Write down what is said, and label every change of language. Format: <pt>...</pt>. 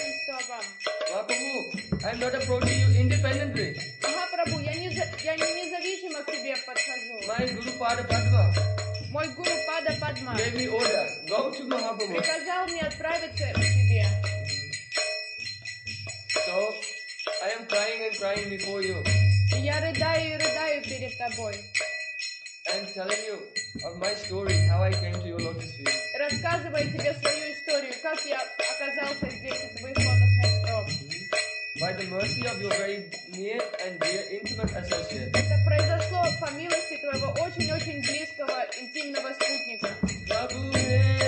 <en>not approaching you independently.</en> <ru>Махапрабху, я независимо к тебе подхожу.</ru> <en>My Guru Pada Padma.</en> <ru>Мой Гуру Пада Падма.</ru> <en>Gave me order. Go to Махапрабху.</en> <ru>Приказал мне отправиться к тебе.</ru> <en>So, I am crying and crying before you.</en> <ru>Я рыдаю и рыдаю перед тобой.</ru> <en>I'm telling you of my story, how I came to your lotus feet.</en> <ru>Рассказывай тебе свою историю, как я оказался здесь, в твоих лотосных стоп.</ru> <en>By the mercy of your very near and dear intimate associate.</en> <ru>Это произошло по милости твоего очень-очень близкого интимного спутника.</ru>